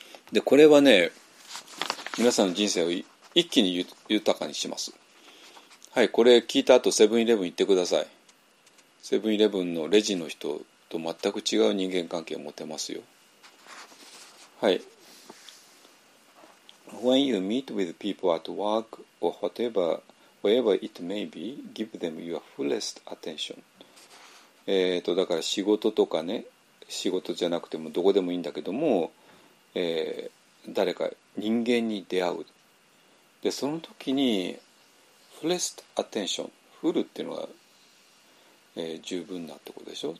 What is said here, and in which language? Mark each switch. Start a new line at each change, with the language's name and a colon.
Japanese: でこれはね、皆さんの人生を一気に豊かにします。はい、これ聞いた後セブンイレブン行ってください。セブンイレブンのレジの人と全く違う人間関係を持てますよ。はい。
English: When you meet with people at work or whatever, wherever it may be, give them your fullest attention.
Japanese: だから仕事とかね、仕事じゃなくてもどこでもいいんだけども、誰か人間に出会う。で、その時に、
English: fullest attention。
Japanese: フルっていうのは、十分なってことでしょ。